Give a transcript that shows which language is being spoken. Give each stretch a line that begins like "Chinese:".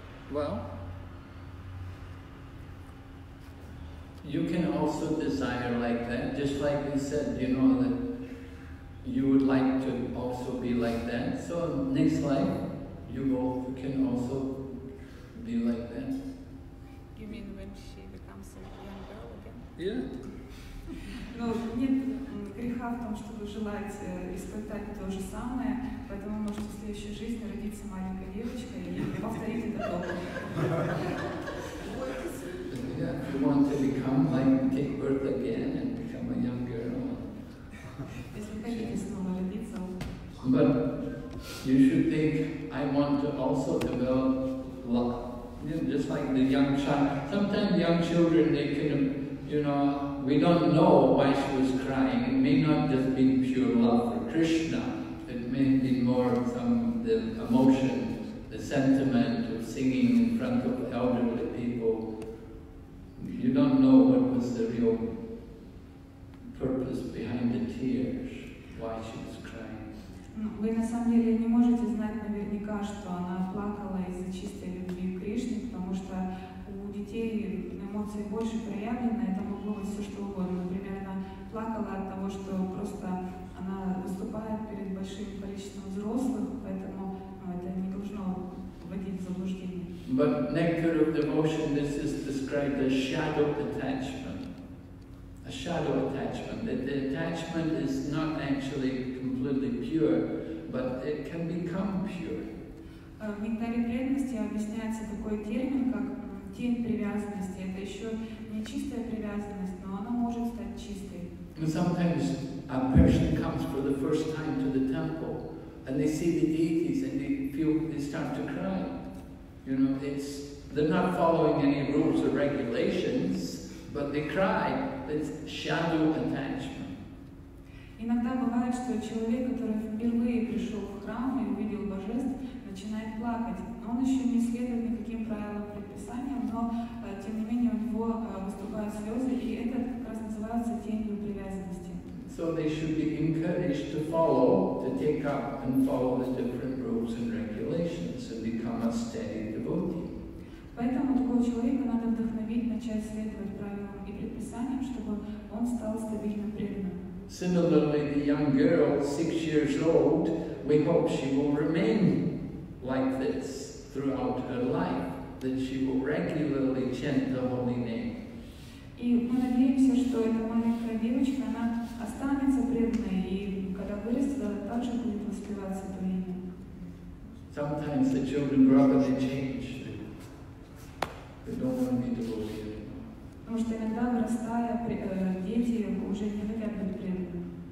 English: Well, you can also desire like that, just like we said, you know, that you would like to also be like that. So next life, you both can also be like that. You mean when she becomes a young girl again? Yeah.
Russian: Но нет греха в том, что вы желаете испытать то же самое, поэтому может в следующей жизни родиться маленькая девочка и повторить это опыт.
English: Yeah, you want to become like take birth again and become a young girl.
Russian: Если хотите снова родиться.
English: But you should think, I want to also develop love. You know, just like the young child. Sometimes young children, they can, you know, we don't know why she was crying. It may not just be pure love for Krishna. It may be more some of the emotion, the sentiment of singing in front of elderly people. You don't know what was the real purpose behind the tears, why she was crying.
Russian: Вы на самом деле не можете знать наверняка, что она плакала из-за чистой любви к Кришне, потому что у детей эмоции больше проявлены, это могло быть все что угодно. Например, она плакала от того, что просто она выступает перед большим количеством взрослых, поэтому это не должно вводить в заблуждение.
English: But nectar of devotion, this is described as shadow attachment. A shadow attachment, that the attachment is not actually completely pure, but it can become pure.
Russian: В нектаре преданности объясняется такой термин, как тень привязанности. Это еще не чистая привязанность, но она может стать чистой.
English: And sometimes a person comes for the first time to the temple, and they see the deities, and they start to cry. You know, they're not following any rules or regulations, but they cry. It's shadow attachment.
Russian: Иногда бывает, что человек, который впервые пришел в храм и увидел божеств, начинает плакать. Он еще не следует никаким правилам предписаниям, но тем не менее у него выступают слезы, и это как раз называется тенью привязанности.
English: So they should be encouraged to follow, to take up and follow the different rules and regulations and become a steady devotee.
Russian: Поэтому такого человека надо вдохновить, начать следовать правилам и предписаниям, чтобы он стал стабильным преданным.
English: Similarly, the young girl, 6 years old, we hope she will remain like this throughout her life, that she will regularly chant the holy name.
Russian: И мы надеемся, что эта маленькая девочка, она останется преданной, и когда вырастет, она также будет воспеваться по имени.
English: Sometimes the children grow up and change. They don't want me to believe anymore.
Russian: Потому что иногда вырастая, дети уже не хотят быть преданными.